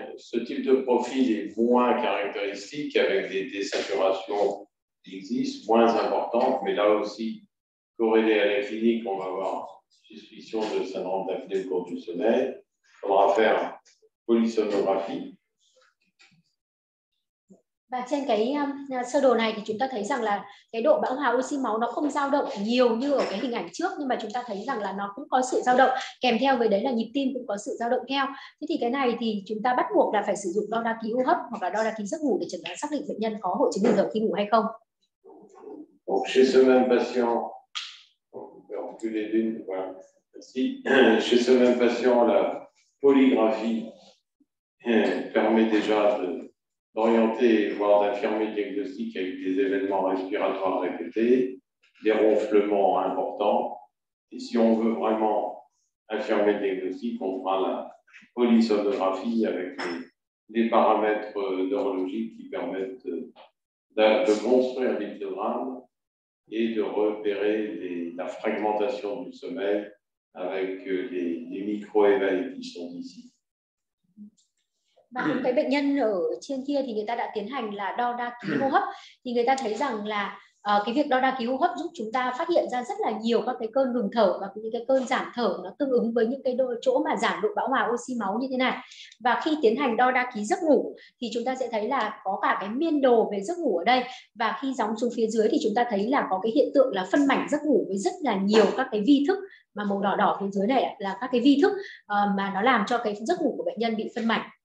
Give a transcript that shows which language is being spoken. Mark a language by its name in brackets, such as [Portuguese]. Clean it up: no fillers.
[French] Ce type de profil est moins caractéristique avec des désaturations qui existent, moins importantes, mais là aussi corrélé à la clinique, on va avoir suspicion de syndrome d'apnée au cours du sommeil. On va faire polysomnographie. [Vietnamese] Và trên cái sơ đồ này thì chúng ta thấy rằng là cái độ bão hòa oxy máu nó không dao động nhiều như ở cái hình ảnh trước, nhưng mà chúng ta thấy rằng là nó cũng có sự dao động, kèm theo với đấy là nhịp tim cũng có sự dao động theo. Thế thì cái này thì chúng ta bắt buộc là phải sử dụng đo đa ký hô hấp hoặc là đo đa ký giấc ngủ để chẩn đoán xác định bệnh nhân có hội chứng ngừng thở khi ngủ hay không. [French] Donc, chez ce même patient, chez ce même patient, la polygraphie permet déjà d'orienter, voire d'affirmer le diagnostic avec des événements respiratoires répétés, des ronflements importants. Et si on veut vraiment affirmer le diagnostic, on fera la polysomnographie avec les paramètres neurologiques qui permettent de construire l'hypnogramme et de repérer la fragmentation du sommeil avec les micro-éveils qui sont ici. [Vietnamese] Và cái bệnh nhân ở trên kia thì người ta đã tiến hành là đo đa ký hô hấp, thì người ta thấy rằng là cái việc đo đa ký hô hấp giúp chúng ta phát hiện ra rất là nhiều các cái cơn ngừng thở và những cái cơn giảm thở nó tương ứng với những cái chỗ mà giảm độ bão hòa oxy máu như thế này. Và khi tiến hành đo đa ký giấc ngủ thì chúng ta sẽ thấy là có cả cái miên đồ về giấc ngủ ở đây, và khi gióng xuống phía dưới thì chúng ta thấy là có cái hiện tượng là phân mảnh giấc ngủ với rất là nhiều các cái vi thức mà màu đỏ đỏ phía dưới này là các cái vi thức mà nó làm cho cái giấc ngủ của bệnh nhân bị phân mảnh.